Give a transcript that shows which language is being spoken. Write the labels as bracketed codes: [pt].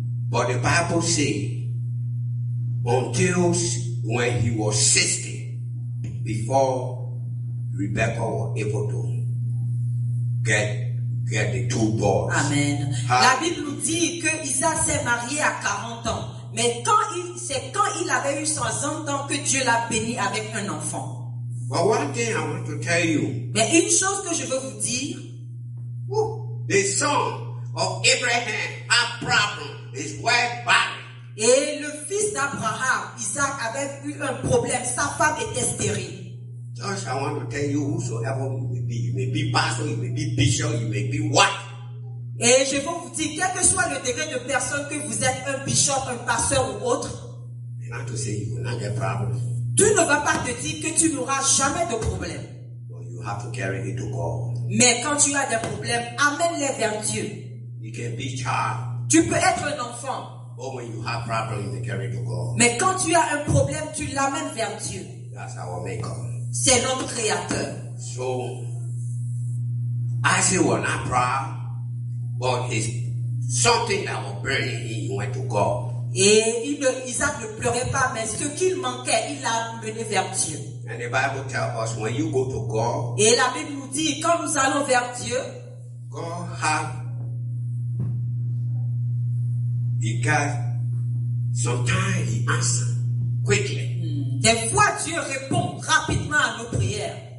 [en] But the Bible says until when he was 60, before Rebecca was able to get the two boys. Amen. [fr] La Bible nous dit que Isaac s'est marié à 40 ans. Mais c'est quand il avait eu 60 ans que Dieu l'a béni avec un enfant. [en] But one thing I want to tell you, [fr] mais une chose que je veux vous dire, [en] the son of Abraham had problem, his wife barren. [fr] Et le fils d'Abraham, Isaac, avait eu un problème, sa femme était stérile. [en] Josh, I want to tell you, whosoever you may be pastor, you may be bishop, you may be what. [fr] Et je veux vous dire, quel que soit le degré de personne que vous êtes, un bishop, un pasteur ou autre, tu ne vas pas te dire que tu n'auras jamais de problème. [en] Well, you have to carry it to God. [fr] Mais quand tu as des problèmes, amène-les vers Dieu. [en] You can be child. [fr] Tu peux être un enfant. [en] But when you have problem, you carry it to God. [fr] Mais quand tu as un problème, tu l'amènes vers Dieu. [en] That's our maker. [fr] C'est notre créateur. [en] So, I say we're not proud. But it's something that was burning him, he went to God. [fr] Et Isaac ne pleurait pas, mais ce qu'il manquait, il l'a mené vers Dieu. [en] And the Bible tells us when you go to God, [fr] et la Bible nous dit, quand nous allons vers Dieu, [en] God has, he got, sometimes he answers quickly. [fr] Des fois, Dieu répond rapidement à nos prières.